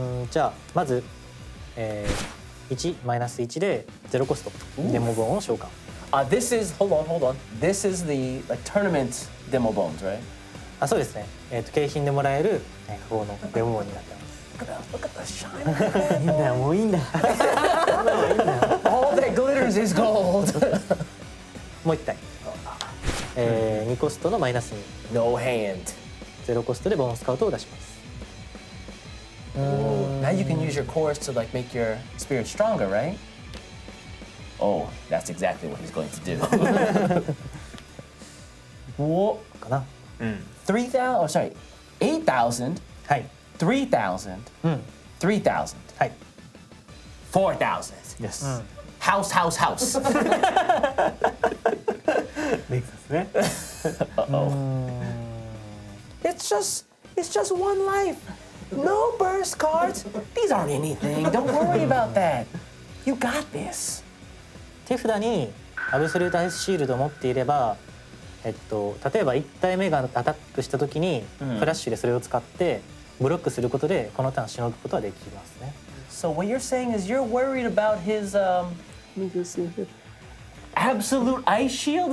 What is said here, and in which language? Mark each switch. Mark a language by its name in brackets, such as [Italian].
[Japanese] じゃあ、まず、1マイナス1でゼロコスト。デモボーンを召喚。 [English] This is, hold on. This is the like, tournament demo bones, right? [Japanese] あ、そうですね。景品でもらえる符号のデモボーンになってます。いいんだよ、もういいんだ。 [English] All that glitters is gold! [Japanese] もう一体。2コストのマイナス2。 [English] No hand. [Japanese] 0コストでボーンスカウトを出します。 [English] Now you can use your cores to like make your spirit stronger, right? Oh, that's exactly what he's going to do. What? Kana? 3,000? Oh, sorry. 8,000? [Japanese] Hai. [English] 3,000? 3,000? [Japanese] Hai. [English] 4,000? Yes. House, house, house. Uh-oh. It's just one life. No burst cards. These aren't anything. Don't worry about that. You got this. [Japanese] 手札にアブソリュートアイスシールドを持っていれば、例えば1体目がアタックした時にフラッシュでそれを使ってブロックすることでこのターンをしのぐことはできますね。 [English] So what you're saying is you're worried about his absolute ice shield?